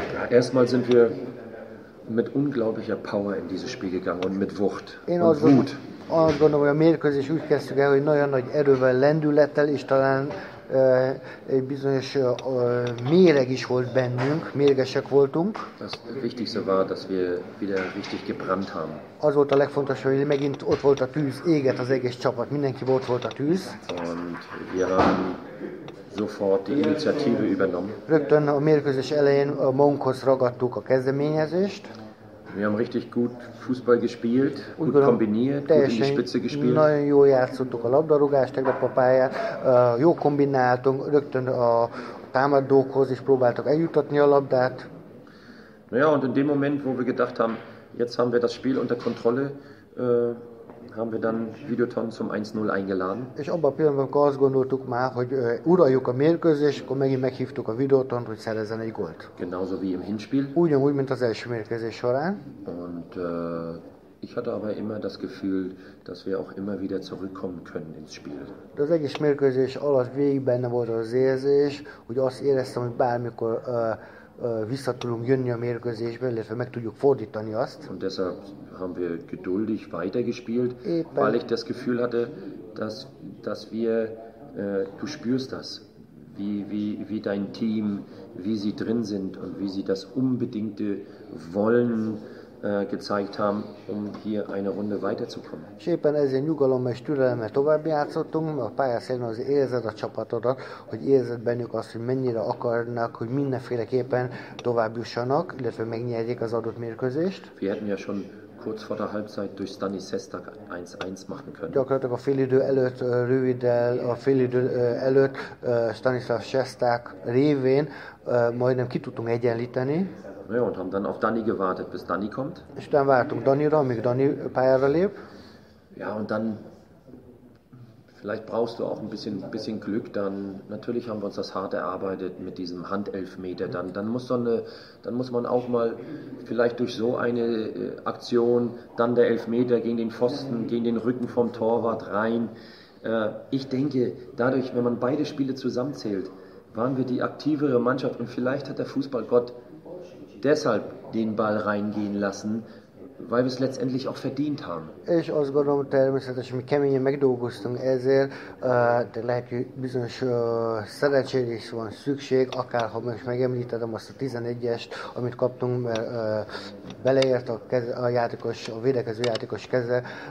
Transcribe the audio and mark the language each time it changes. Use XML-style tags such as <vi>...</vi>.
<de>Erstmal sind wir mit unglaublicher Power in dieses Spiel gegangen und mit Wucht und Wut.</de> <hu>Azt gondolom, hogy a mérkőzés úgy kezdtük el, hogy nagyon nagy erővel, lendülettel, és talán egy bizonyos méreg is volt bennünk, méregesek voltunk.</hu> <de>Das Wichtigste war, dass wir wieder richtig gebrannt haben.</de> <hu>Az volt a legfontosabb, hogy megint ott volt a tűz, éget az egész csapat, mindenki ott volt a tűz.</hu> <de>Und wir haben sofort die Initiative übernommen.</de> <hu>Rögtön a mérkőzés elején a magunkhoz ragadtuk a kezdeményezést.</hu> <de>Wir haben richtig gut Fußball gespielt, gut kombiniert, gut in die Spitze gespielt.</de> <hu>Nagyon jól játszottuk a labdarúgást, tegnap a pályát, jó kombináltunk, rögtön a támadókhoz is próbáltuk eljutatni a labdát.</hu> <de>Naja, und in dem Moment, wo wir gedacht haben, jetzt haben wir das Spiel unter Kontrolle, haben wir dann Videoton zum 1-0 eingeladen.</de> <hu>És abban a pillanatban, amikor azt gondoltuk már, hogy uraljuk a mérkőzést, akkor megint meghívtuk a Videoton, hogy szerezzen egy gólt.</hu> <de>Genauso wie im Hinspiel.</de> <hu>Ugyanúgy, mint az első mérkőzés során.</hu> <de>Und ich hatte aber immer das Gefühl, dass wir auch immer wieder zurückkommen können ins Spiel.</de> <hu>De az egész mérkőzés alatt végig benne volt az érzés, hogy azt éreztem, hogy bármikor vissza tudunk jönni a mérkőzésbe, illetve meg tudjuk fordítani azt.</hu> <de>Und deshalb haben wir geduldig weitergespielt, weil ich das Gefühl hatte, dass wir, du spürst das, wie dein Team, wie sie drin sind und wie sie das unbedingte Wollen gezeigt haben, um hier eine Runde weiterzukommen.</de> <hu>És éppen ezért nyugalommal és türelemmel tovább játszottunk, a pályaszélen az érzed a csapatodat, hogy érzed bennük azt, hogy mennyire akarnak, hogy mindenféleképpen tovább jussanak, illetve megnyerjék az adott mérkőzést.</hu> <de>Wir hätten ja schon kurz vor der Halbzeit durch Stani Sestak 1-1 machen können.</de> <hu>Gyakorlatilag a fél idő előtt, röviddel, a fél idő előtt Stanislav Sestak révén majdnem ki tudtunk egyenlíteni.</hu> <de>Ja, und haben dann auf Dani gewartet, bis Dani kommt.</de> <hu>És utána vártunk Danira, amíg Dani pályára lép.</hu> <de>Ja, und dann vielleicht brauchst du auch ein bisschen Glück, dann natürlich haben wir uns das hart erarbeitet mit diesem Handelfmeter, dann muss man auch mal vielleicht durch so eine Aktion, dann der Elfmeter gegen den Pfosten, gegen den Rücken vom Torwart rein. Ich denke, dadurch, wenn man beide Spiele zusammenzählt, waren wir die aktivere Mannschaft und vielleicht hat der Fußballgott deshalb den Ball reingehen lassen, weil wir es letztendlich auch verdient haben.</de> <hu>És azt gondolom, természetesen mi keményen megdolgoztunk ezért, de lehet, hogy bizonyos szerencsére is van szükség, akár ha most megemlítettem azt a 11-est, amit kaptunk, mert beleért a védekező játékos keze.</hu>